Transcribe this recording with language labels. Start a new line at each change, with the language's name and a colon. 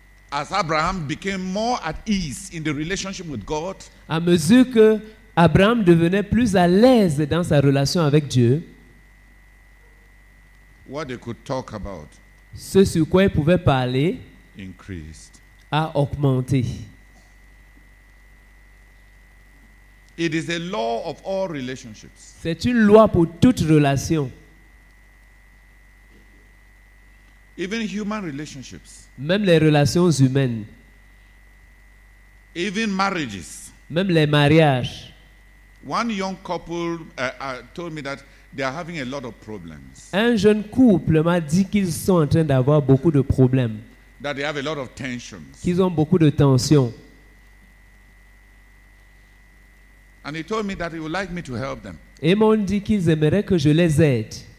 English: As Abraham became more at ease in the relationship with God,
French: à mesure que Abraham devenait plus à l'aise dans sa relation avec Dieu,
English: what they could talk about,
French: ce sur quoi ils pouvaient parler,
English: increased,
French: a augmenté.
English: It is a law of all relationships.
French: C'est une loi pour toute relation.
English: Even human relationships.
French: Même les relations humaines.
English: Even marriages.
French: Même les mariages.
English: One young couple told me that they are having a lot of problems.
French: Un jeune couple m'a dit qu'ils sont en train d'avoir beaucoup de problèmes.
English: That they have a lot of tensions.
French: Qu'ils ont beaucoup de tensions.
English: And he told me that he would like me to help them.
French: Et m'ont dit qu'ils aimeraient que je les aide.